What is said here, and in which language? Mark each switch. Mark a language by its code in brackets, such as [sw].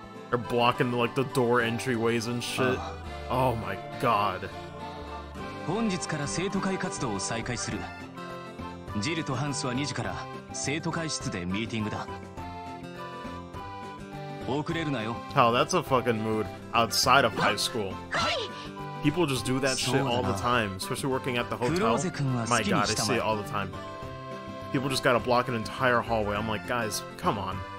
[en] They're blocking like the door entryways and shit. Oh my god. [ja] 本日から生徒会活動を再開する。ジルとハンスは2時から生徒会室でミーティングだ。遅れるなよ。 [en] Hell, that's a fucking mood outside of high school. [ja] はい。 [en] People just do that shit all the time, especially working at the hotel. My god, I see it all the time. People just gotta block an entire hallway. I'm like, guys, come on.